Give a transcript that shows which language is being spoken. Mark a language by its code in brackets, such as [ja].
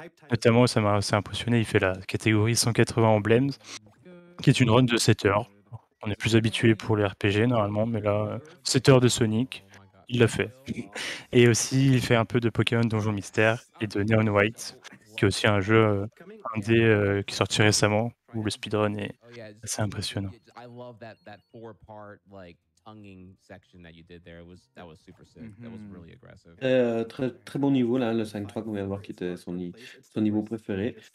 [fr] Notamment, ça m'a assez impressionné, il fait la catégorie 180 Emblems, qui est une run de 7 heures. On est plus habitué pour les RPG normalement, mais là, 7 heures de Sonic, il l'a fait. Et aussi, il fait un peu de Pokémon Donjon Mystère et de Neon White, qui est aussi un jeu indé qui est sorti récemment, où le speedrun est assez impressionnant. [en] I love that four-part like tonguing section that you did there. That was super sick. That was really aggressive. [fr] Très, très bon niveau là, le 5-3 qu'on vient de voir qui était son niveau préféré.